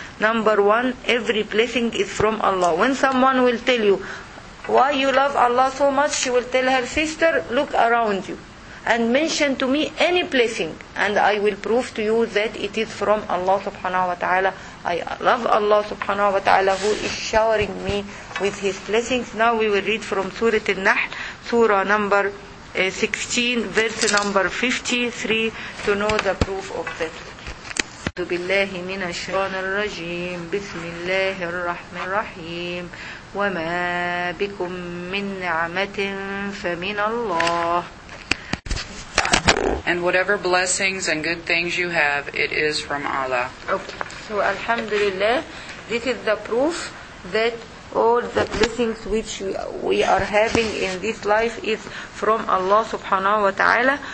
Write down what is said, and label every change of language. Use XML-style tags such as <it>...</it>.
<en>Number one, every blessing is from Allah. When someone will tell you why you love Allah so much, she will tell her sister, look around you and mention to me any blessing and I will prove to you that it is from Allah subhanahu wa ta'ala. I love Allah subhanahu wa ta'ala who is showering me with His blessings. Now we will read from Surah An-Nahl, Surah number 16, verse number 53, to know the proof of that.</en> <ar>أعوذ بالله من الشيطان الرجيم بسم الله الرحمن الرحيم وما بكم من نعمة فمن الله.</ar> <en>And whatever blessings and good things you have, it is from Allah. Okay. So alhamdulillah, this is the proof that all the blessings which we are having in this life is from Allah subhanahu wa ta'ala.</en>